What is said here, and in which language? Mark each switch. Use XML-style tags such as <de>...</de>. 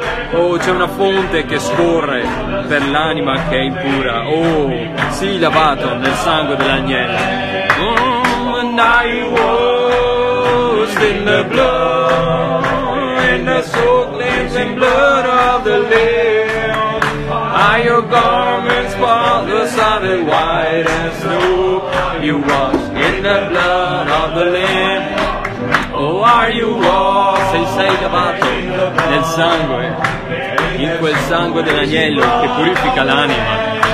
<it>Oh, c'è una fonte che scorre per l'anima che è impura. Oh, sii lavato nel sangue dell'agnello.</it> <en>And I was in the blood, in the soul cleansing blood of the Lamb. Are your garments spotless and white as snow? You washed in the blood of the Lamb. Oh, are you washed?</en> <it>Sei lavato nel sangue, in quel sangue dell'agnello che purifica l'anima.</it>